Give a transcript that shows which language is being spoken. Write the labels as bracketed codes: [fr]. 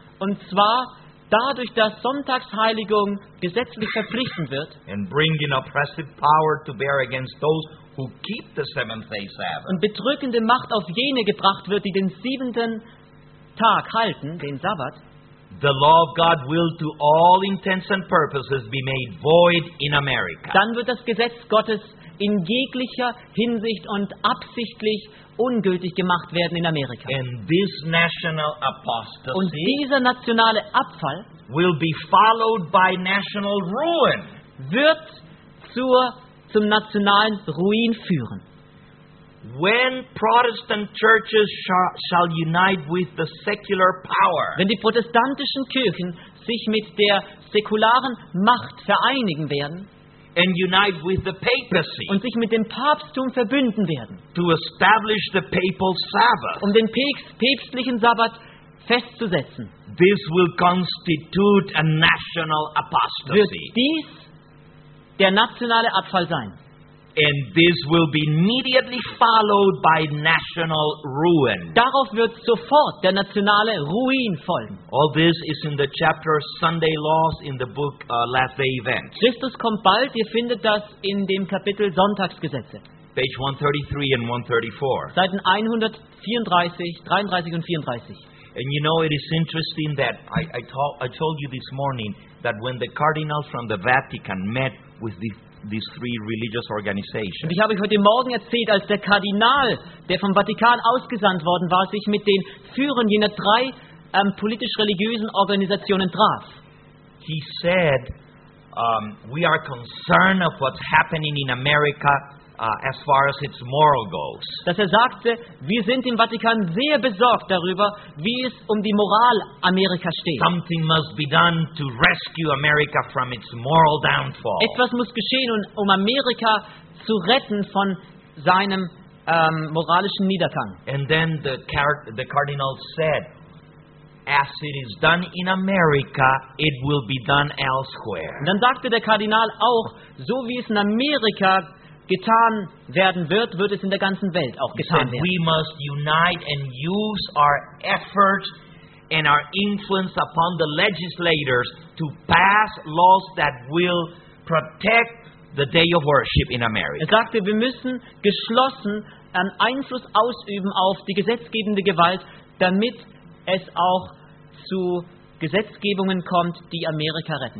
[de] und zwar dadurch, dass Sonntagsheiligung gesetzlich verpflichtend wird, [en] and bringing oppressive power to bear against those who keep the seventh-day Sabbath, [de] und bedrückende Macht auf jene gebracht wird, die den siebenten Tag halten, den Sabbat, [en] the law of God will to all intents and purposes be made void in America. [de] Dann wird das Gesetz Gottes in jeglicher Hinsicht und absichtlich ungültig gemacht werden in Amerika. [en] And this national apostasy [de] und dieser nationale Abfall [en] will be followed by national ruin. [de] Wird zum nationalen Ruin führen. [en] When Protestant churches shall unite with the secular power. [de] Wenn die protestantischen Kirchen sich mit der säkularen Macht vereinigen werden. [en] And unite with the papacy. [de] Und sich mit dem Papsttum verbünden werden. [en] To establish the papal Sabbath. [de] Um den päpstlichen Sabbat festzusetzen. [en] This will constitute a national apostasy. [de] Wird dies der nationale Abfall sein. [en] And this will be immediately followed by national ruin. [de] Darauf wird sofort der nationale Ruin folgen. [en] All this is in the chapter Sunday Laws in the book Last Day Events. [de] Christus kommt bald. Ihr findet das in dem Kapitel Sonntagsgesetze. [en] Page 133 and 134. [de] Seiten 133 und 134. [en] And you know, it is interesting that I told you this morning that when the cardinals from the Vatican met with these three religious organizations. [de] Und ich habe euch heute Morgen erzählt, als der Kardinal, der vom Vatikan ausgesandt worden war, sich mit den Führern jener drei politisch-religiösen Organisationen traf. [en] He said, we are concerned of what's happening in America as far as its moral goes. [de] Dass er sagte, wir sind im Vatikan sehr besorgt darüber, wie es um die Moral Amerika steht. [en] Something must be done to rescue America from its moral downfall. [de] Etwas muss geschehen, um Amerika zu retten von seinem moralischen Niedergang. [en] And then the cardinal said, as it is done in America, it will be done elsewhere. [de] Und dann sagte der Kardinal auch, so wie es in Amerika getan werden wird, wird es in der ganzen Welt auch getan werden. [en] We must unite and use our efforts and our influence upon the legislators to pass laws that will protect the day of worship in America. [de] Er sagte, wir müssen geschlossen einen Einfluss ausüben auf die gesetzgebende Gewalt, damit es auch zu Gesetzgebungen kommt, die Amerika retten.